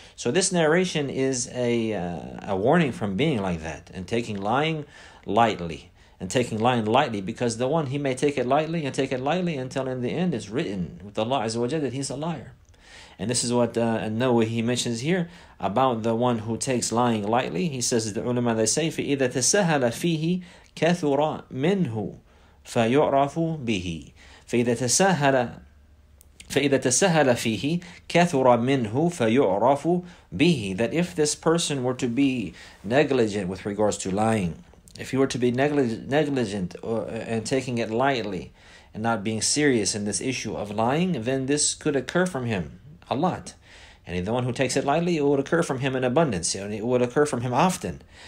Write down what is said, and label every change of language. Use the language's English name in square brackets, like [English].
[English] So this narration is a warning from being like that and taking lying lightly. And taking lying lightly, because the one, he may take it lightly until in the end it's written with Allah Azza wa Jalla that he's a liar. And this is what Noah, he mentions here about the one who takes lying lightly. He says, the ulama, they say, [Arabic] فَإِذَا تَسَهَلَ فِيهِ كَثُرَ مِنْهُ فَيُعْرَفُ بِهِ فَإِذَا تَسَهَلَ فَإِذَا تَسَهَلَ فِيهِ كَثُرَ مِنْهُ فَيُعْرَفُ بِهِ. [English] That if this person were to be negligent with regards to lying, if he were to be negligent and taking it lightly and not being serious in this issue of lying, then this could occur from him a lot. And the one who takes it lightly, it would occur from him in abundance. It would occur from him often.